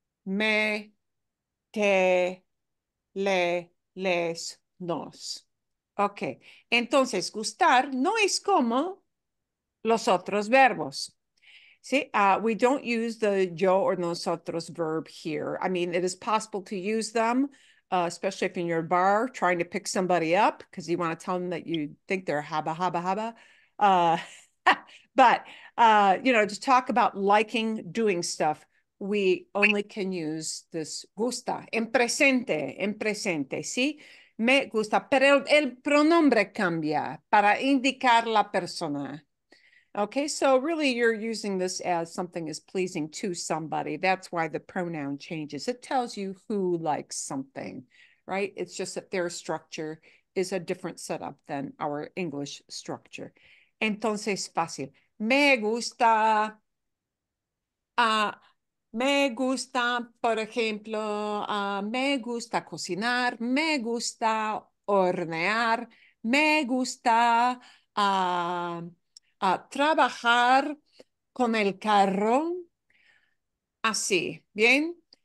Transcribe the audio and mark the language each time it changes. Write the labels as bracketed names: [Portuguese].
[Spanish] Me, te, le, les, nos. Ok, entonces, gustar no es como los otros verbos. [English] See, we don't use the yo or nosotros verb here. I mean, it is possible to use them, especially if in your bar, trying to pick somebody up because you want to tell them that you think they're haba, haba, haba. but, you know, to talk about liking doing stuff, we only can use this gusta. [Spanish] En presente, ¿sí? Me gusta. Pero el pronombre cambia para indicar la persona. [English] Okay, so really you're using this as something is pleasing to somebody. That's why the pronoun changes. It tells you who likes something, right? It's just that their structure is a different setup than our English structure. [Spanish] Entonces, fácil. Me gusta, por ejemplo, me gusta cocinar, me gusta hornear, me gusta... a trabajar con el carro, así, bien.